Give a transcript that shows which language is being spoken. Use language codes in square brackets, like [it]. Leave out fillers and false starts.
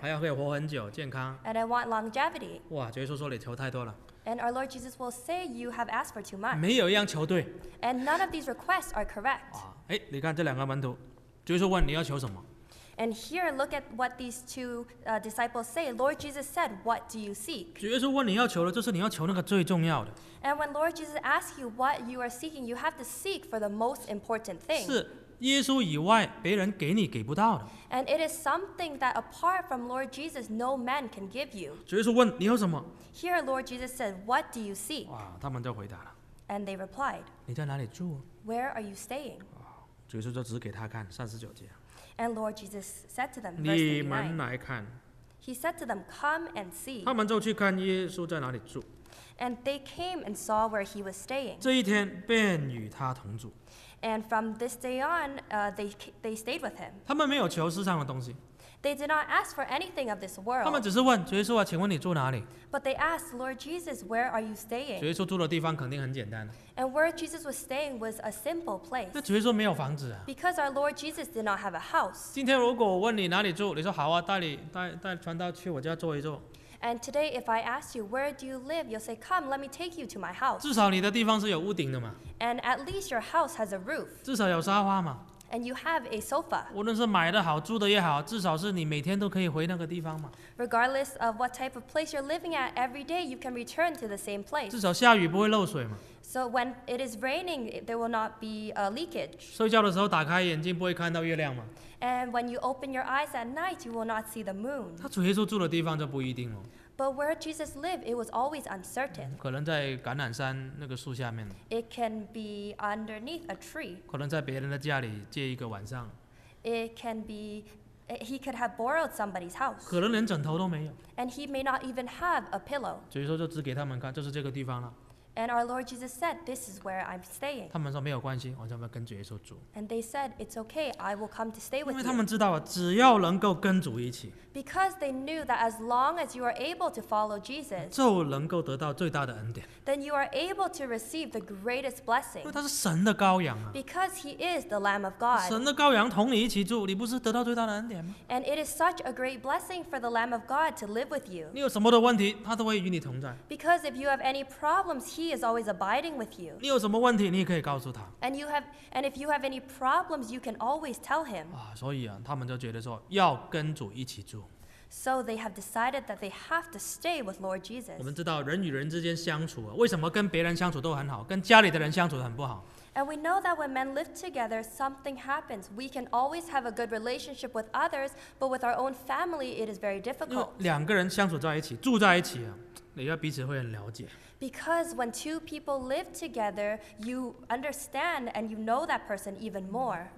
[zh] 还要可以活很久，健康。 [en] And I want longevity. [zh] 哇，主耶稣说你求太多了。 [en] And our Lord Jesus will say you have asked for too much. [zh] 没有一样求对。 [en] And none of these requests are correct. [zh] 哎，你看这两个门徒，主耶稣问你要求什么？ [en] And here, look at what these two disciples say. Lord Jesus said, "What do you seek?" [zh] 主耶稣问你要求的，就是你要求那个最重要的。 [en] And when Lord Jesus asks you what you are seeking, you have to seek for the most important thing. [zh] 是耶稣以外别人给你给不到的。 [en] And it is something that apart from Lord Jesus, no man can give you. [zh] 主耶稣问你要什么 [en] ？Here, Lord Jesus said, "What do you seek?" [zh] 哇，他们就回答了。 [en] And they replied, [zh] 你在哪里住 [en] ？Where are you staying?" [zh] 主耶稣就指给他看，三十九节。 [en] And Lord Jesus said to them, [zh] 你们来看。 [en] He said to them, "Come and see." [zh] 他们就去看耶稣在哪里住。 [en] And they came and saw where he was staying. [zh] 这一天便与他同住。 [en] And from this day on, they stayed with him. [zh] 他们没有求世上的东西。 [en] They did not ask for anything of this world. [zh] 他们只是问主耶稣啊，请问你住哪里 [en] ？But they asked Lord Jesus, "Where are you staying?" [zh] 主耶稣住的地方肯定很简单。 [en] And where Jesus was staying was a simple place. [zh] 那主耶稣没有房子啊。 [en] Because our Lord Jesus did not have a house. [zh] 今天如果我问你哪里住，你说好啊，带传道去我家坐一坐。 [en] And today, if I ask you where do you live, you'll say, "Come, let me take you to my house." [zh] 至少你的地方是有屋顶的嘛。 [en] And at least your house has a roof. [zh] 至少有沙发嘛。 [en] and you have a sofa. [zh] 无论是买的好，住的也好，至少是你每天都可以回那个地方嘛。 [en] Regardless of what type of place you're living at, every day you can return to the same place. [zh] 至少下雨不会漏水嘛。 [en] So when it is raining, there will not be a leakage. [zh] 睡觉的时候打开眼睛不会看到月亮嘛。 [en] And when you open your eyes at night, you will not see the moon. [zh] 他主耶稣住的地方就不一定了。 [en] But where Jesus lived, it was always uncertain. [zh] 可能在橄榄山那个树下面。 [en] It can be underneath a tree. [zh] 可能在别人的家里借一个晚上。 [en] It can be, he could have borrowed somebody's house. [zh] 可能连枕头都没有。 [en] And he may not even have a pillow. [zh] 主耶稣就指给他们看，就是这个地方了。 [en] And our Lord Jesus said, this is where I'm staying. [zh] 他们说没有关系，我就要跟主耶稣住。 [en] And they said, it's okay, I will come to stay with you. [zh] 因为他们知道，只要能够跟主一起。 [en] Because they knew that as long as you are able to follow Jesus, [zh] 就能够得到最大的恩典。 [en] Then you are able to receive the greatest blessing. [zh] 因为他是神的羔羊啊。 [en] Because he is the Lamb of God. [zh] 神的羔羊同你一起住，你不是得到最大的恩典吗？ [en] And it is such a great blessing for the Lamb of God to live with you. [zh] 你有什么的问题，他都会与你同在。 [en] Because if you have any problems, he is always abiding with you. [zh] 你有什么问题，你也可以告诉他。 [en] And if you have any problems, you can always tell him. [zh] 啊，所以啊，他们就觉得说要跟主一起住。 [en] So they have decided that they have to stay with Lord Jesus. [zh] 我们知道人与人之间相处啊，为什么跟别人相处都很好，跟家里的人相处很不好？ [en] And we know that when men live together, something happens. We can always have a good relationship with others, but with our own family, it is very difficult. [zh] 因为两个人相处在一起，住在一起啊，你要彼此会很了解。 [en] Because when two people live together, you understand and you know that person even more.